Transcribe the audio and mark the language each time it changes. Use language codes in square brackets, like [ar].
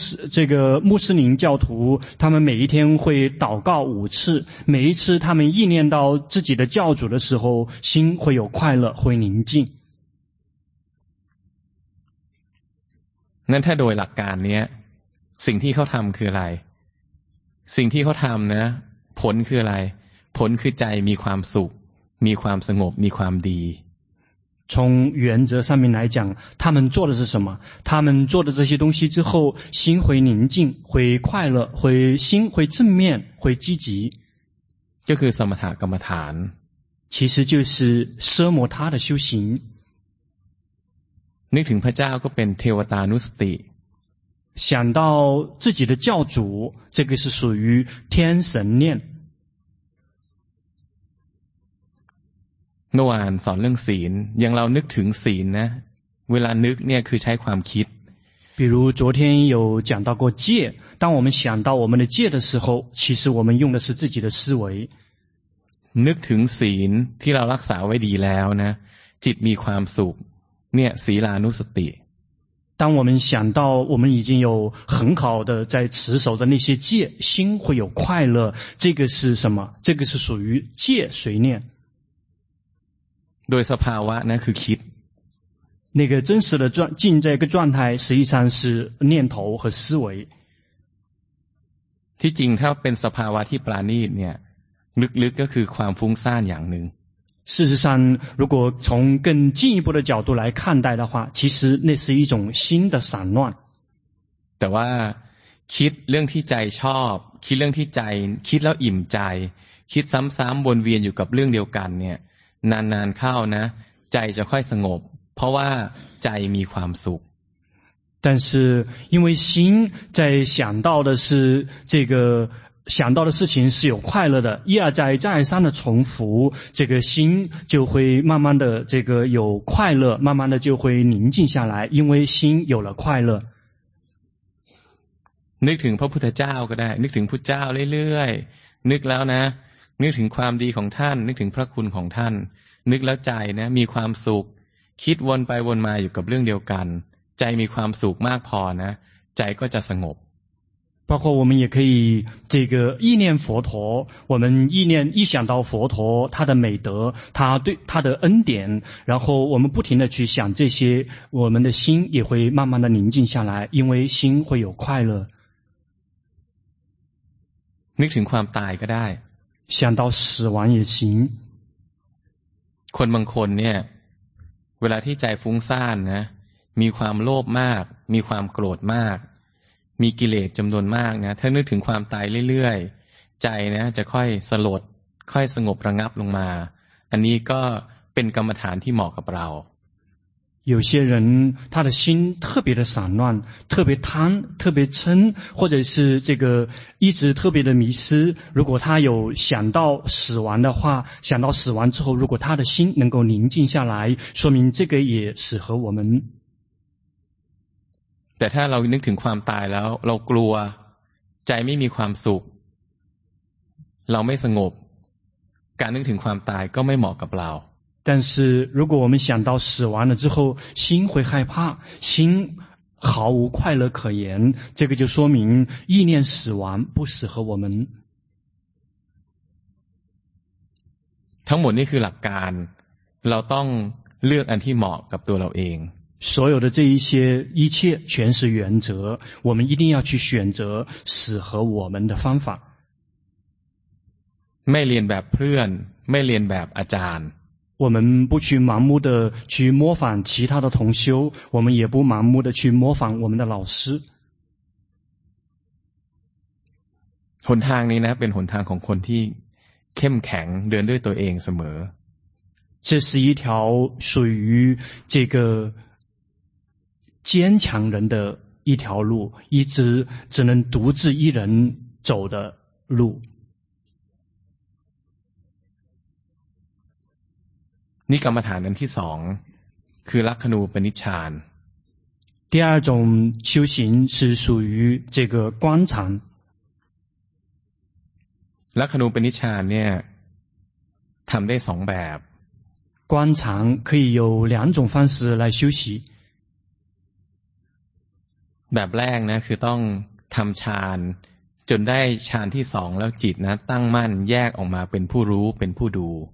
[zh] 这个穆斯林教徒他们每一天会祷告五次每一次他们意念到自己的教主的时候心会有快乐会宁静 [th] 那ถ้าโดยหลักการเนี้ยสิ่งที่เขาทำคืออะไรสิ่งที่เขาทำนะผลคืออะไรผลคือใจมีความสุขมีความสงบมีความดี [zh] 从原则上面来讲他们做的是什么他们做的这些东西之后心会宁静会快乐会心会正面会积极就是 [th] สมถะกรรมฐาน [zh] 其实就是奢摩他的修行 [th] นึกถึงพระเจ้าก็เป็นเทวตานุสติ [zh] 想到自己的教主这个是属于天神念 [th] เมื่อวานสอนเรื่องศีลยังเรานึกถึงศีลนะเวลานึกเนี่ยคือใช้ความคิด [zh] 比如昨天有讲到过戒当我们想到我们的戒的时候其实我们用的是自己的思维 [th] นึกถึงศีลที่เรารักษาไว้ดีแล้วนะจิตมีความสุขเนี่ยศีลานุสติ [zh] 当我们想到我们已经有很好的在持守的那些戒心会有快乐这个是什么这个是属于戒随念 [th] โดยสภาวะนะคือคิด [zh] 那个真实的状境这个状态实际上是念头和思维 [th] ที่จริงถ้าเป็นสภาวะที่ปราณีตเนี่ยลึกๆ ก็คือความฟุ้งซ่านอย่างหนึ่ง [zh] 事实上如果从更进一步的角度来看待的话其实那是一种心的散乱 [th] แต่ว่าคิดเรื่องที่ใจชอบคิดเรื่องที่ใจคิดแล้วอิ่มใจคิดซ้ำๆวนเวียนอยู่กับเรื่องเดียวกันเนี่ยนานๆเข้านะใจจะค่อยสงบเพราะว่าใจมีความสุข [zh] 但是因为心在想到的是这个想到的事情是有快乐的一而再再而三的重复这个心就会慢慢的这个有快乐慢慢的就会宁静下来因为心有了快乐 [th] นึกถึงพระพุทธเจ้าก็ได้นึกถึงพุทธเจ้าเรื่อยๆนึกแล้วนะนึกถึงความดีของท่านนึกถึงพระคุณของท่านนึกแล้วใจนะมีความสุขคิดวนไปวนมาอยู่กับเรื่องเดียวกันใจมีความสุขมากพอนะใจก็จะสงบ [zh] 包括我们也可以这个意念佛陀我们意念一想到佛陀他的美德他对他的恩典然后我们不停的去想这些我们的心也会慢慢的宁静下来因为心会有快乐 [th] นึกถึงความตายก็ได้ [zh] 想到死亡也行 [th] คนบางคนเนี่ยเวลาที่ใจฟุ้งซ่านนะมีความโลภมากมีความโกรธมากมีกิเลสจำนวนมากนะถ้านึกถึงความตายเรื่อยๆใจนะจะค่อยสลดค่อยสงบระงับลงมาอันนี้ก็เป็นกรรมฐานที่เหมาะกับเรา [zh] 有些人他的心特别的散乱特别贪特别嗔或者是这个一直特别的迷失如果他有想到死亡的话想到死亡之后如果他的心能够宁静下来说明这个也适合我们 [th] แต่ถ้าเรานึกถึงความตายแล้วเรากลัวใจไม่มีความสุขเราไม่สงบการนึกถึงความตายก็ไม่เหมาะกับเรา [zh] 但是如果我们想到死亡了之后心会害怕心毫无快乐可言这个就说明意念死亡不适合我们 [th] ทั้งหมดนี่คือหลักการเราต้องเลือกอันที่เหมาะกับตัวเราเอง [zh] 所有的这一些一切全是原则我们一定要去选择适合我们的方法 [th] ไม่เรียนแบบเพื่อนไม่เรียนแบบอาจารย์ [zh] 我们不去盲目的去模仿其他的同修我们也不盲目的去模仿我们的老师 [th] หนทางนี้นะเป็นหนทางของคนที่เข้มแข็งเดินด้วยตัวเองเสม [zh] อ这是一条属于这个坚强人的一条路一直只能独自一人走的路 [th] นี่กรรมฐานอันที่สองคือลักขณูปนิชฌาน [zh] 第二种修行是属于这个观禅 [th] ลักขณูปนิชฌานเนี่ยทำได้สองแบบ [zh] 观禅可以有两种方式来修习 [th] แบบแรกนะคือต้องทำฌานจนได้ฌานที่สองแล้วจิตนะตั้งมั่นแยกออกมาเป็นผู้รู้เป็นผู้ดู